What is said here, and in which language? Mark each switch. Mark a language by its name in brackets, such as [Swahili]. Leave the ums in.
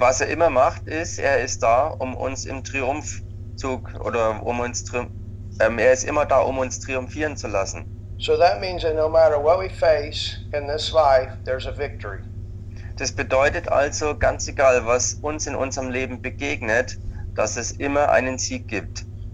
[German] was er immer macht, ist, er ist da, um uns im Triumphzug oder um uns ähm, er ist immer da, um uns triumphieren zu lassen. [English] So that means that no matter what we in this life, there's a victory. [German] Es bedeutet also, ganz egal, was uns in unserem Leben begegnet, dass es immer einen Sieg gibt.